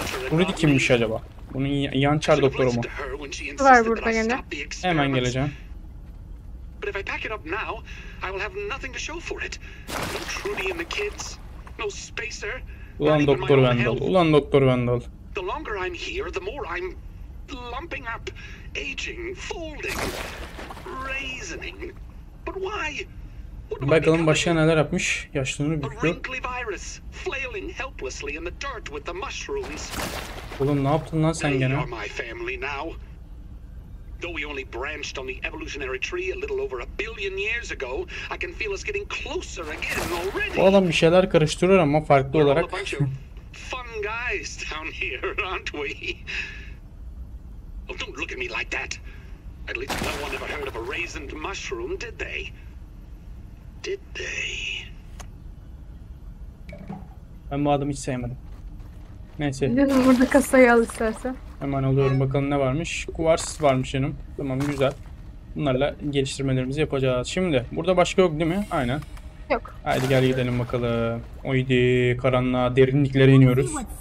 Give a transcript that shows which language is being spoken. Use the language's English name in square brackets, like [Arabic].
[Turkish] Burada kimmiş acaba? Bunun yançar doktoru mu? Var burada yine. Hemen geleceğim. [English] But if I pack it up now, I will have nothing to show for it. No Trudy and the kids, no Spacer. [Turkish] Ulan Doktor Wendell, ulan Doktor Wendell. [English] The longer I'm here, the more I'm lumping up, aging, folding, raisining. But why? [Turkish] Bakalım başka neler yapmış. Yaşlığını bitiyor. [English] A virus, flailing helplessly in the dirt with the mushrooms. [Turkish] Oğlum ne yaptın lan sen gene? [English] They are my family now. Though we only branched on the evolutionary tree a little over a billion years ago, I can feel us getting closer again already. [Turkish] Bu adam bir şeyler karıştırır ama farklı olarak. [English] Fun guys down here, aren't we? Oh, don't look at me like that. At least no one ever heard of a raisined mushroom, did they? Did they? [Turkish] Ben bu adamı hiç sevmedim. Neyse. Canım burada kasayı al istersen. Hemen alıyorum bakalım ne varmış. Kuvarsız varmış canım. Tamam güzel. Bunlarla geliştirmelerimizi yapacağız. Şimdi burada başka yok değil mi? Aynen. Yok. Haydi gel gidelim bakalım. Oydi karanlığa derinliklere iniyoruz.